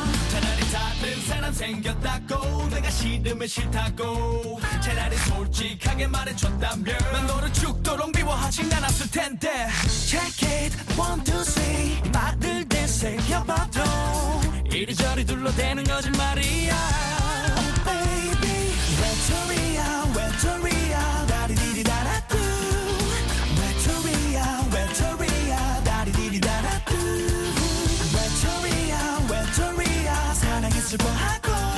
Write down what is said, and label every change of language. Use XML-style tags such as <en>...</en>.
<ko>차라리 다른 사람 생겼다고 내가 싫으면 싫다고 차라리 솔직하게 말해줬다면 난 너를 죽도록 미워하진 않았을 텐데.</ko> <en>Check it, one, two, three.</en> <ko>말을 되새겨봐도 이리저리 둘러대는 거짓말이야. Oh baby, Victoria, Victoria, 다리디디다라 뚜. Victoria, Victoria, 다리디디다라 뚜. Victoria, Victoria, 사랑이 슬퍼하고</ko>